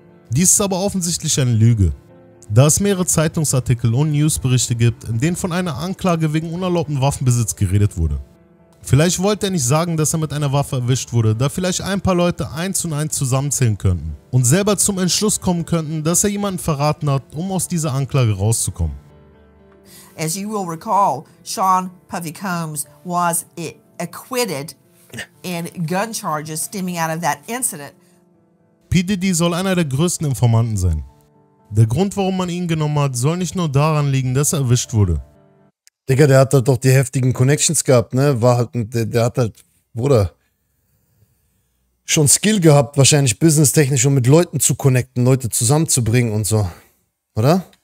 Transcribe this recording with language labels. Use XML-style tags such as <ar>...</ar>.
<de>Dies ist aber offensichtlich eine Lüge, da es mehrere Zeitungsartikel und Newsberichte gibt, in denen von einer Anklage wegen unerlaubten Waffenbesitz geredet wurde. Vielleicht wollte er nicht sagen, dass er mit einer Waffe erwischt wurde, da vielleicht ein paar Leute eins und eins zusammenzählen könnten und selber zum Entschluss kommen könnten, dass er jemanden verraten hat, um aus dieser Anklage rauszukommen.</de> <en>As you will recall, Sean Puffy Combs was acquitted in gun charges stemming out of that incident.</en> <de>P. Diddy soll einer der größten Informanten sein. Der Grund, warum man ihn genommen hat, soll nicht nur daran liegen, dass er erwischt wurde. Digga, der hat halt doch die heftigen Connections gehabt, ne? Der hat halt, Bruder, schon Skill gehabt, wahrscheinlich businesstechnisch, um mit Leuten zu connecten, Leute zusammenzubringen und so, oder?</de>